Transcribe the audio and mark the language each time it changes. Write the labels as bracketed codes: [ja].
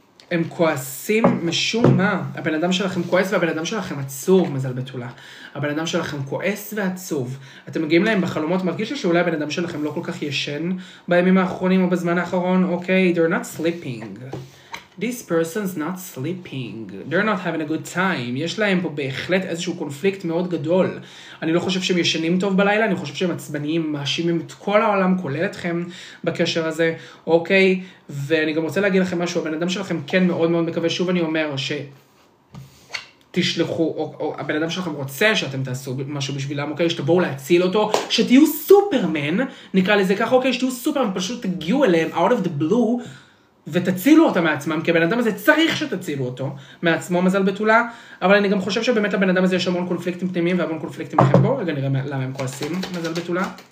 [he] הם כועסים משום מה. הבן אדם שלכם כועס והבן אדם שלכם עצוב, מזל בתולה. הבן אדם שלכם כועס ועצוב. אתם מגיעים להם בחלומות, מרגיש לי שאולי הבן אדם שלכם לא כל כך ישן בימים האחרונים או בזמן האחרון, אוקיי? [en] Okay, they're not sleeping. This person's not sleeping. They're not having a good time. [he] יש להם פה בהחלט איזשהו קונפליקט מאוד גדול. אני לא חושב שהם ישנים טוב בלילה, אני חושב שהם עצבניים, מאשימים את כל העולם, כולל אתכם בקשר הזה. אוקיי, ואני גם רוצה להגיד לכם משהו, הבן אדם שלכם כן מאוד מאוד מקווה, שוב אני אומר ש... תשלחו, או הבן אדם שלכם רוצה שאתם תעשו משהו בשבילם, אוקיי, שתבואו להציל אותו, שתהיו סופרמן, נקרא לזה כך, אוקיי, שתהיו סופרמן, פשוט תגיעו אליהם, [en] out of the blue, [he] ותצילו אותם מעצמם, כי הבן אדם הזה צריך שתצילו אותו מעצמו, מזל בתולה, אבל אני גם חושב שבאמת לבן אדם הזה יש המון קונפליקטים פנימיים והמון קונפליקטים לכם בו, רגע נראה למה הם כועסים, מזל בתולה.